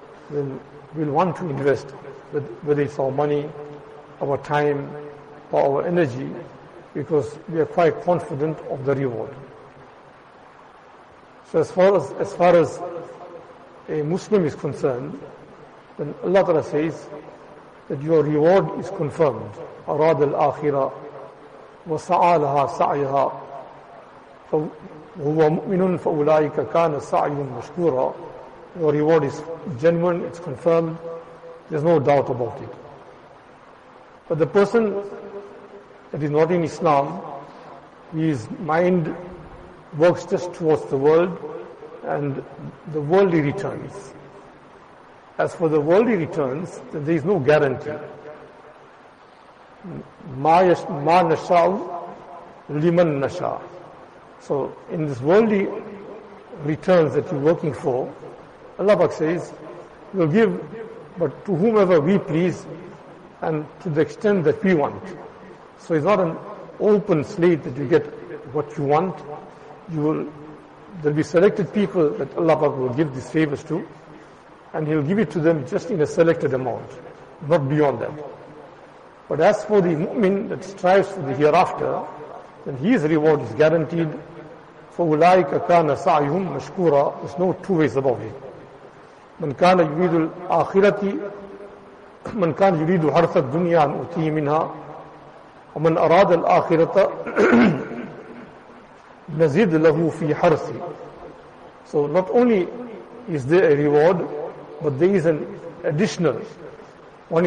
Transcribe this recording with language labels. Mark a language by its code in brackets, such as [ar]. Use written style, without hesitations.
[en] Then we'll want to invest, whether it's our money, our time, or our energy, because we are quite confident of the reward. So as far as a Muslim is concerned, then Allah Ta'ala says that your reward is confirmed. [ar] أراد الآخرة وسعى لها سعيها فهو مؤمن فأولئك كان سعيهم مشكورا. [en] Your reward is genuine, it's confirmed, there's no doubt about it. But the person that is not in Islam, his mind works just towards the world, and the worldly returns. As for the worldly returns, then there is no guarantee. [ar] مَا نَشَاءُ لِمَن نَشَاء. [en] So in this worldly returns that you're working for, Allah Pak says, we'll give, but to whomever we please and to the extent that we want. So it's not an open slate that you get what you want. There'll be selected people that Allah Pak will give these favors to, and He'll give it to them just in a selected amount, not beyond that. But as for the mu'min that strives for the hereafter, then his reward is guaranteed. [ar] فَأُولَٰئِكَ كَانَ سَعْيُهُمْ مَشْكُورًا. [en] There's no two ways about it. [ar] من كان يريد الآخرة من كان يريد حرث الدنيا نؤتيه منها ومن أراد الآخرة نزيد له في حرثه. [en] So not only is there a reward, but there is an additional one.